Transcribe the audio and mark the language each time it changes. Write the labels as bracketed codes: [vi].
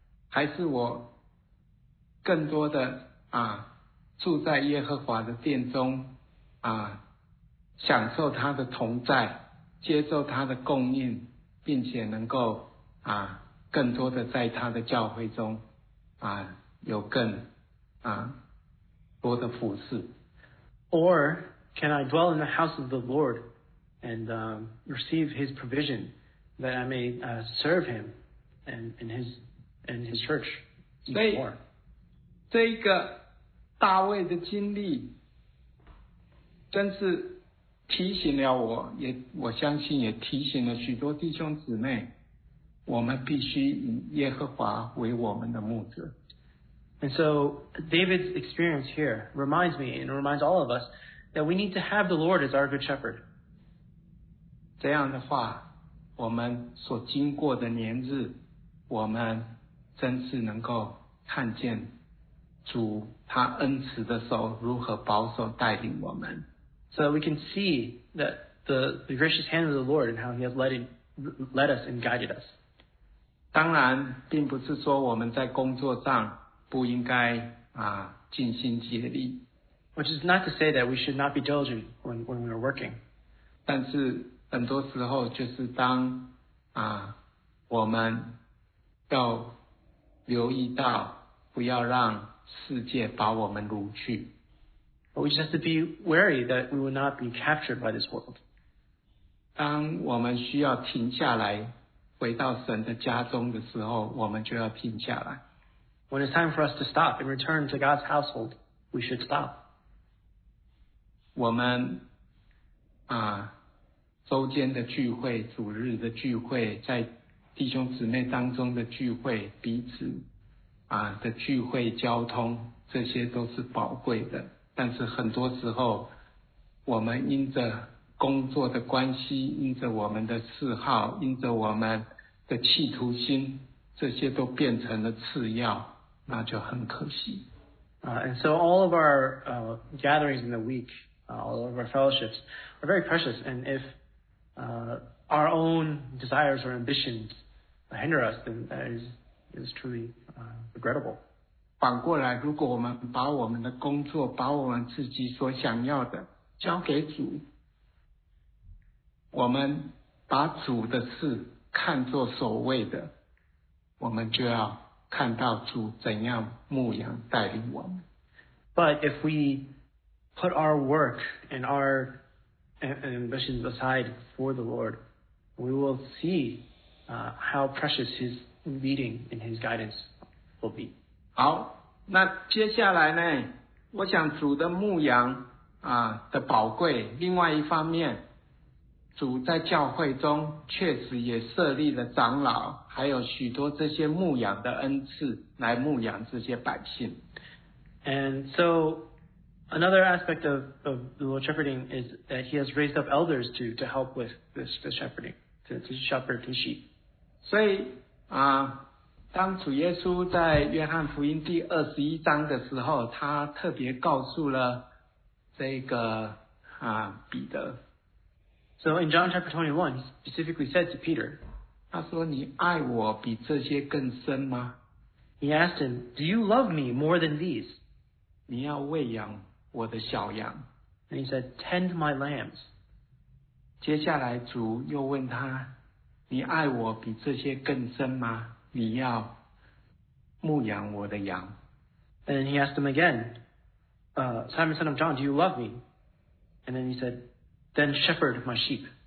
[zh] 还是我更多的啊住在耶和华的殿中啊，享受他的同在，接受他的供应，并且能够啊更多的在他的教会中啊有更啊多的服事。 [en] Or can I dwell in the house of the Lord and receive His provision, that I may serve Him and in His church even more? [zh] 这个大卫的经历真是提醒了我，也我相信也提醒了许多弟兄姊妹，我们必须以耶和华为我们的牧者。 [en] And so David's experience here reminds me and reminds all of us that we need to have the Lord as our good shepherd. [zh] 这样的话，我们所经过的年日，我们真是能够看见主他恩慈的手如何保守带领我们。 [en] So we can see that the gracious hand of the Lord and how He has led us and guided us. [zh] 当然，并不是说我们在工作上不应该啊尽心竭力。 [en] Which is not to say that we should not be diligent when we are working. [zh] 但是很多时候就是当啊我们要留意到，不要让世界把我们掳去。 [en] But we just have to be wary that we will not be captured by this world. [zh] 当我们需要停下来回到神的家中的时候，我们就要停下来。 [en] When it's time for us to stop and return to God's household, we should stop. [zh] 我们啊周间的聚会，主日的聚会，在弟兄姊妹当中的聚会，彼此啊的聚会交通，这些都是宝贵的。但是很多时候我们因着工作的关系，因着我们的嗜好，因着我们的企图心，这些都变成了次要，那就很可惜。 [en] And so all of our gatherings in the week, all of our fellowships are very precious. And if our own desires or ambitions hinder us, then that is truly regrettable. [zh] 反过来，如果我们把我们的工作，把我们自己所想要的交给主，我们把主的事看作所谓的，我们就要看到主怎样牧养带领我们。 [en] But if we put our work and our ambitions aside for the Lord, we will see how precious His leading and His guidance will be. [zh] 好，那接下来呢，我想主的牧养啊的宝贵，另外一方面，主在教会中确实也设立了长老，还有许多这些牧养的恩赐来牧养这些百姓。 [en] And so another aspect of the Lord shepherding is that He has raised up elders to help with the shepherding, to shepherd the sheep. [zh] 所以啊，当主耶稣在约翰福音第21章的时候，他特别告诉了这个啊彼得。 [en] So in John chapter 21, he specifically said to Peter, [zh] 他说你爱我比这些更深吗？ [en] He asked him, do you love me more than these? [zh] 你要喂养我的小羊。 [en] And he said, tend my lambs. [zh] 接下来主又问他，你爱我比这些更深吗？你要牧养我的羊。 [en] And then he asked him again, Simon, son of John, do you love me? And then he said, then shepherd my sheep.